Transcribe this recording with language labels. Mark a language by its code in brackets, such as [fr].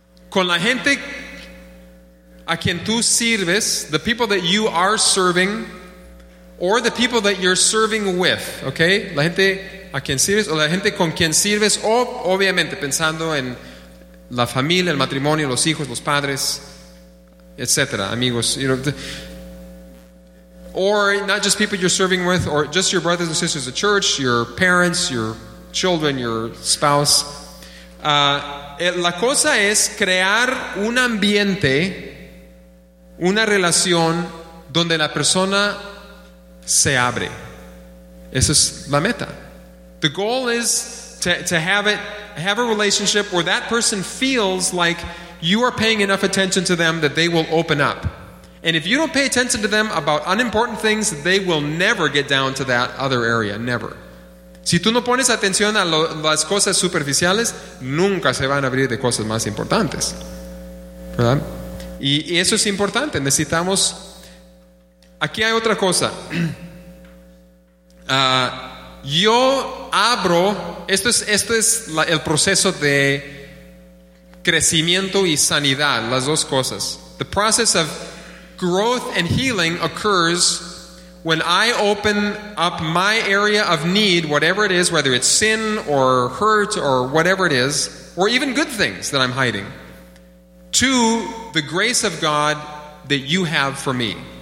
[es] Con la gente a quien tú sirves, [en] the people that you are serving, or the people that you're serving with, okay? [es] La gente a quien sirves, o la gente con quien sirves, o obviamente pensando en la familia, el matrimonio, los hijos, los padres, etc., amigos. [en] You know, or not just people you're serving with, or just your brothers and sisters at church, your parents, your children, your spouse. [es] La cosa es crear un ambiente, una relación donde la persona se abre. Esa es la meta. [en] The goal is to have a relationship where that person feels like you are paying enough attention to them that they will open up. And if you don't pay attention to them about unimportant things, they will never get down to that other area. Never. [es] Si tú no pones atención a las cosas superficiales, nunca se van a abrir de cosas más importantes. ¿Verdad? Y eso es importante. Necesitamos... Aquí hay otra cosa. Yo abro... Esto es el proceso de crecimiento y sanidad. Las dos cosas. [en] The process of growth and healing occurs when I open up my area of need, whatever it is, whether it's sin or hurt or whatever it is, or even good things that I'm hiding, to the grace of God that you have for me.